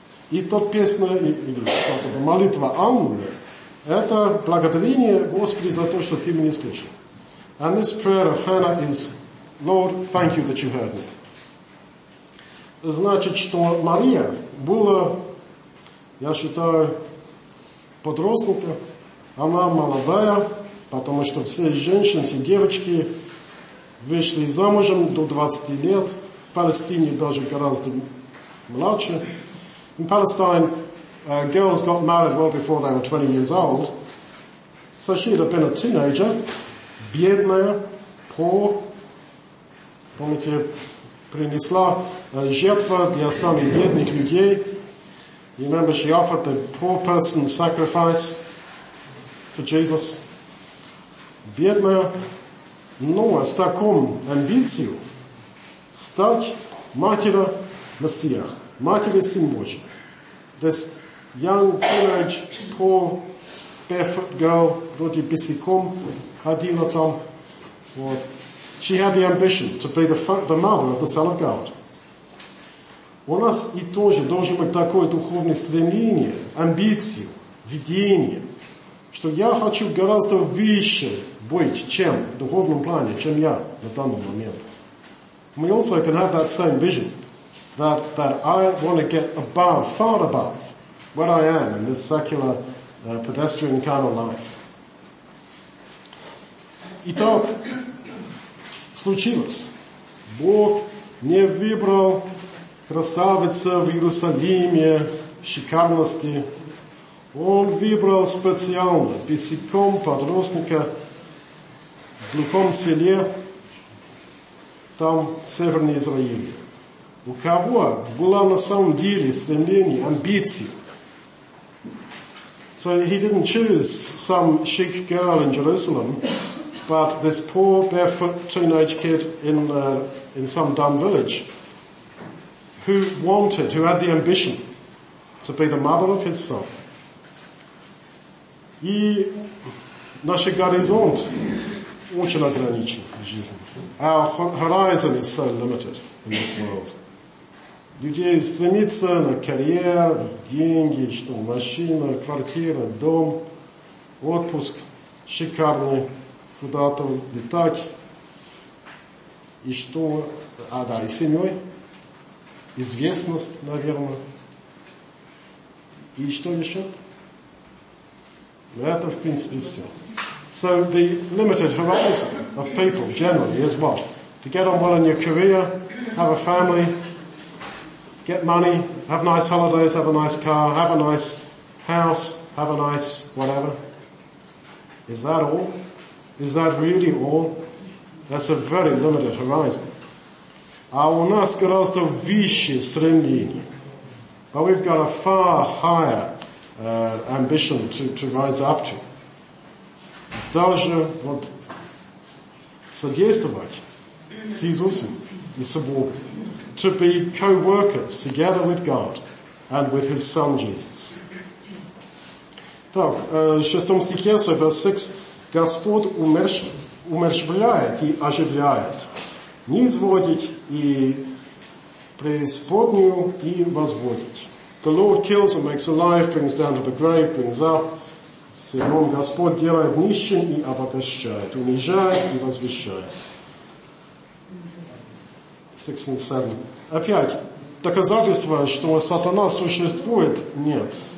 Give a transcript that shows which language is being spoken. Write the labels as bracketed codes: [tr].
[ru] И тот песня, или это, молитва Анны, это благодарение Господи за то, что ты меня слышал. [en] And this prayer of Hannah is, Lord, thank you that you heard me. [ru] Значит, что Мария была, я считаю, подростком, она молодая, потому что все женщины, все девочки вышли замужем до 20 лет, в Палестине даже гораздо младше. [en] In Palestine, girls got married well before they were 20 years old, so she'd have been a teenager, [ru] бедная, [en] poor. [ru] Помните, принесла жертва для самых бедных людей. [en] You remember, she offered the poor person sacrifice for Jesus. [ru] Бедная, но с таком амбицией стать матерью Мессия, матерью Сына Божьего. [en] This young, teenage, poor, barefoot girl, [ru] вроде бесиком, ходила там. Вот. [en] She had the ambition to be the mother of the Son of God. [ru] У нас и тоже должно быть такое духовное стремление, амбиции, видение, что я хочу гораздо выше быть, чем в духовном плане, чем я на данный момент. [en] We also can have that same vision. That I want to get above, far above, where I am in this secular, pedestrian kind of life. [ru] Итак, случилось. Бог не выбрал красавицу в Иерусалиме, в шикарности. Он выбрал специально бесиком подростника в глухом селе, там, в Северной Израиле. У кого было на самом деле стремление, амбиции? [en] So he didn't choose some chic girl in Jerusalem, but this poor barefoot teenage kid in some dumb village who wanted, who had the ambition to be the mother of his son. [ru] И наш горизонт очень ограничен в жизни. [en] Our horizon is so limited in this world. [ru] Людей стремится на карьеру, деньги, что машина, квартира, дом, отпуск шикарный, куда-то летать. И что? А, да, и семьей. Известность, наверное. И что еще? Это, в принципе, все. [en] So the limited horizon of people generally is what? To get on well in your career, have a family, get money, have nice holidays, have a nice car, have a nice house, have a nice whatever. Is that all? Is that really all? That's a very limited horizon. [ru] А у нас гораздо выше стремление. [en] But we've got a far higher ambition to rise up to. [ru] Даже вот содействовать с Иисусом и с Богом. [en] To be co-workers together with God and with His Son Jesus. [ru] Так, в шестом стихе, [en] so verse 6, [ru] Господь умерщвляет и оживляет, низводит и преисподнюю и возводит. [en] The Lord kills and makes alive, brings down to the grave, brings up, [ru] Сегон Господь делает нищим и обогащает, унижает и возвещает. 67. Опять, доказательство, что сатана существует, нет.